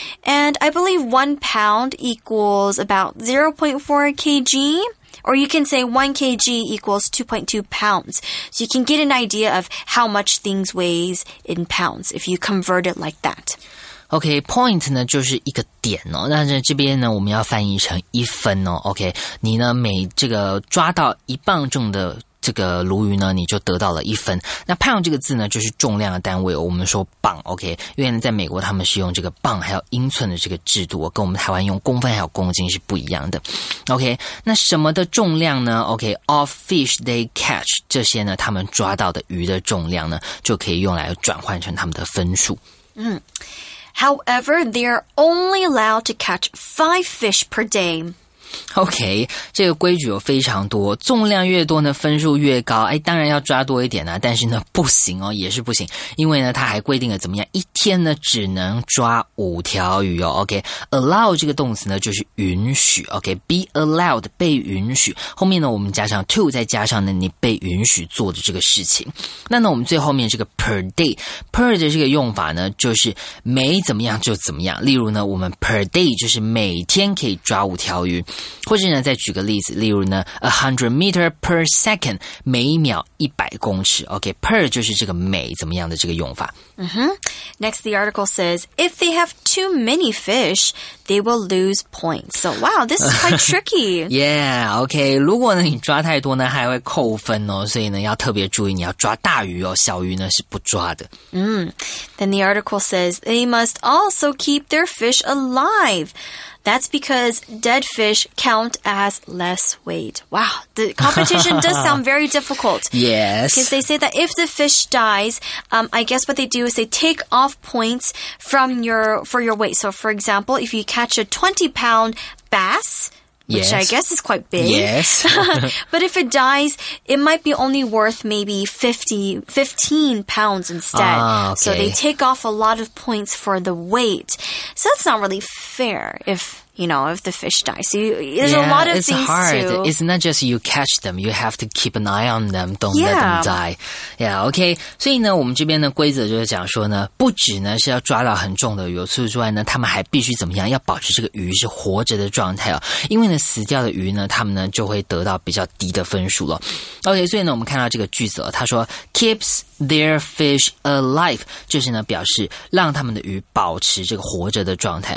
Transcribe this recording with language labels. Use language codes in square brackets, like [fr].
[en] And I believe 1 pound equals about 0.4 kg. Or you can say 1 kg equals 2.2 pounds. So you can get an idea of how much things weighs in pounds if you convert it like that. [zh] Okay, point 呢就是一个点哦。那这边呢我们要翻译成一分哦。Okay, 你呢每这个抓到一磅重的这个鲈鱼呢你就得到了一分。那 pound 这个字呢就是重量的单位哦。我们说磅 ,okay, 因为呢在美国他们是用这个磅还有英寸的这个制度，跟我们台湾用公分还有公斤是不一样的。 Okay, 那什么的重量呢 ?Okay, [en] of fish they catch, [zh] 这些呢他们抓到的鱼的重量呢就可以用来转换成他们的分数。 [en] However, they are only allowed to catch 5 fish per day. [zh] OK, 这个规矩有非常多，重量越多呢分数越高，哎，当然要抓多一点啊，但是呢不行哦，也是不行，因为呢它还规定了怎么样，一天呢只能抓5条鱼哦。 OK, allow 这个动词呢就是允许。OK, be allowed 被允许，后面呢我们加上 to 再加上呢你被允许做的这个事情。那呢我们最后面这个 per day, per 的这个用法呢就是没怎么样就怎么样，例如呢我们 per day 就是每天可以抓5条鱼，或者呢再举个例子，例如呢 [en] 100 meters per second, [zh] 每秒100公尺。 OK, per 就是这个每怎么样的这个用法。 [en] Next the article says if they have too many fish they will lose points. So wow, this is quite tricky. [zh] Yeah, OK, 如果呢你抓太多呢还会扣分哦，所以呢要特别注意，你要抓大鱼哦，小鱼呢是不抓的。 [en] Then the article says they must also keep their fish aliveThat's because dead fish count as less weight. Wow, the competition does sound very difficult. Yes. Because they say that if the fish dies, I guess what they do is they take off points from for your weight. So, for example, if you catch a 20-pound bass... Which yes. I guess is quite big. Yes. But if it dies, it might be only worth maybe 15 pounds instead. Ah, okay. So they take off a lot of points for the weight. So that's not really fair if the fish dies. So there's yeah, a lot of it's things it's hard. To... It's not just you catch them. You have to keep an eye on them. Don't let them die. Yeah, okay. [zh] 所以呢我们这边的规则就是讲说呢不只呢是要抓到很重的鱼，除此之外呢他们还必须怎么样，要保持这个鱼是活着的状态哦。因为呢死掉的鱼呢他们呢就会得到比较低的分数了。 Okay, 所以呢我们看到这个句子了，他说 [en] keeps their fish alive, [zh] 就是呢表示让他们的鱼保持这个活着的状态。